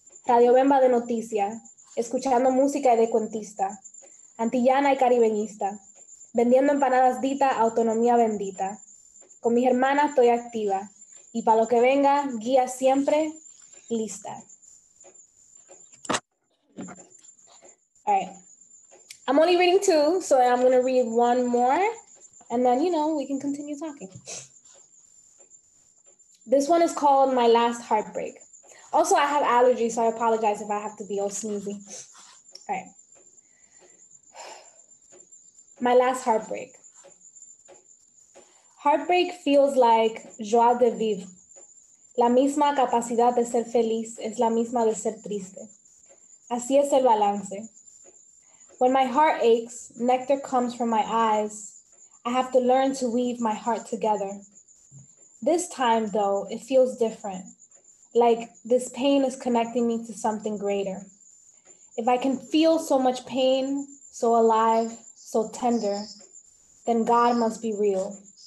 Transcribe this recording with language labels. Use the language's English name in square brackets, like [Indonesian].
[Spanish] Radio Bemba de noticia, escuchando música y de cuentista. Antillana y caribeñista. Vendiendo empanadas dita, autonomía bendita. Con mis hermanas estoy activa. Y para lo que venga, guía siempre, lista. [English] All right. I'm only reading two, so I'm going to read one more. And then, you know, we can continue talking. This one is called My Last Heartbreak. Also, I have allergies, so I apologize if I have to be all sneezy. All right. My last heartbreak. Heartbreak feels like joie de vivre. [Spanish] La misma capacidad de ser feliz es la misma de ser triste. Así es el balance. [English] When my heart aches, nectar comes from my eyes. I have to learn to weave my heart together. This time though, it feels different. Like this pain is connecting me to something greater. If I can feel so much pain, so alive, so tender, then God must be real.